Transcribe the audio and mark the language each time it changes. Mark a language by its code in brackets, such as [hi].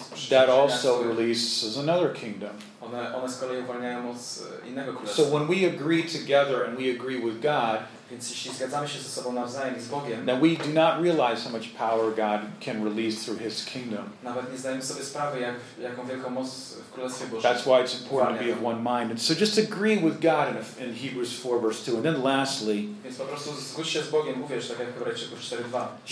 [en] that also releases another kingdom. [pl] One z kolei uwalniają moc innego królestwa. [en] So when we agree together and we agree with God, [pl] więc jeśli zgadzamy się ze sobą nawzajem i z Bogiem, [en] then we do not realize how much power God can release through His kingdom. [pl] Nawet nie zdajemy sobie sprawy, jaką wielką moc w Królestwie Bożym. [en] That's why it's important to be of one mind. And so just agree with God in Hebrews 4 verse 2. And then lastly, [pl] więc po prostu zgódź się z Bogiem, mówisz tak jak w Hebrajczyków 4:2.